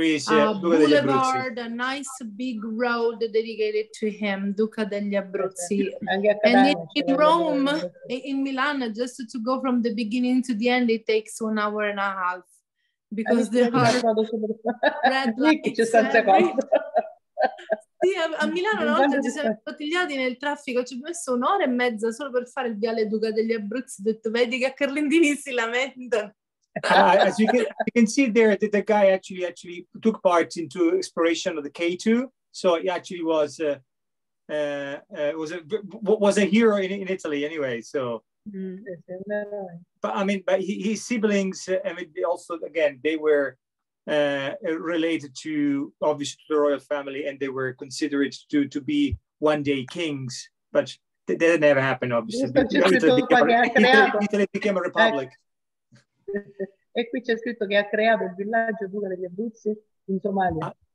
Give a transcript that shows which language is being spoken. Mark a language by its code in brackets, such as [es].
[en] there is a boulevard, a nice big road dedicated to him, Duca degli Abruzzi. And in Rome, in Milan, just to go from the beginning to the end, it takes 1 hour and a half. Because the red lights. [it] Sì, a Milano una volta ci siamo imbottigliati nel traffico, ci ho messo un'ora e mezza solo per fare il viale Duca degli Abruzzi. Ho detto, vedi che a Carlentini si lamentano. [en] As you can see there, that the guy actually took part into exploration of the K2. So he actually was a hero in Italy anyway. So. Mm-hmm. But I mean, but his siblings, I mean, they also, again, they were related to, obviously, to the royal family, and they were considered to be one day kings, but that never happened, obviously. Italy became a republic. [it] E qui c'è scritto che ha creato il villaggio Duca degli Abruzzi in Somalia.